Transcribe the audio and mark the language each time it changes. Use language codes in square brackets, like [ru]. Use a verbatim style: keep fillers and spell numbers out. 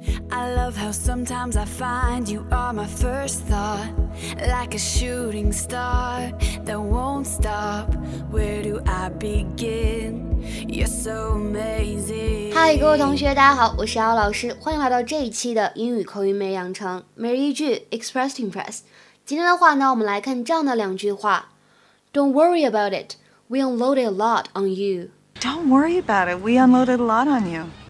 [en] I love how sometimes I find you are my first thought, like a shooting star that won't stop. Where do I begin? You're so amazing. [zh] 嗨，各位同学，大家好，我是姚老师，欢迎来到这一期的英语口语每日养成每日一句 [en] Express to Impress。 [zh] 今天的话呢，我们来看这样的两句话 ： [en] Don't worry about it, we unloaded a lot on you. Don't worry about it, we unloaded a lot on you.